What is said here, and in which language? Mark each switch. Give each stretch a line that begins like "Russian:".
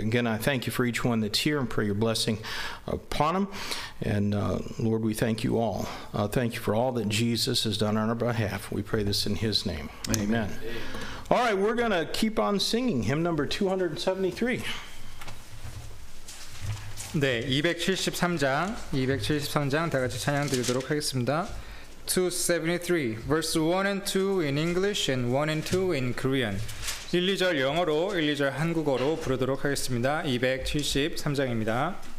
English: Again, I thank you for each one that's here and pray your blessing upon them. And Lord, we thank you all. Thank you for all that Jesus has done on our behalf. We pray this in his name. Amen. Amen. All right, we're going to keep on singing hymn number 273.
Korean: 네, 273장 다 같이 찬양 드리도록 하겠습니다.
English: 273, verse 1 and 2 in English and 1 and 2 in Korean.
Korean: 1, 2절 영어로, 1, 2절 한국어로 부르도록 하겠습니다. 273장입니다.